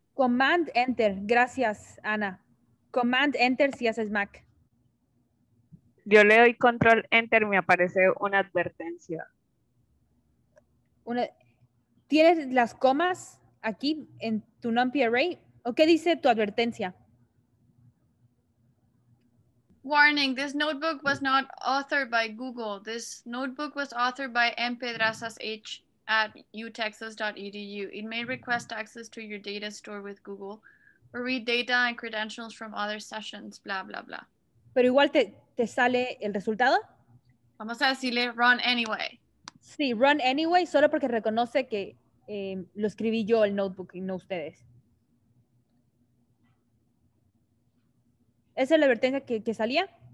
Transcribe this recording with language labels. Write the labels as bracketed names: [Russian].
[Spanish] Command, enter. Gracias, Ana. Command, enter si haces Mac. Yo le doy control, enter, me aparece una advertencia. ¿Tienes las comas aquí en tu NumPy array? ¿O qué dice tu advertencia? [English] Warning, this notebook was not authored by Google. This notebook was authored by mpedrazash@utexas.edu. It may request access to your data store with Google or read data and credentials from other sessions, bla, bla, bla. [Spanish] Pero igual te sale el resultado. Vamos a decirle [English] run anyway. [Spanish] Sí, [English] run anyway, [Spanish] solo porque reconoce que lo escribí yo el notebook y no ustedes. ¿Esa es la advertencia que salía?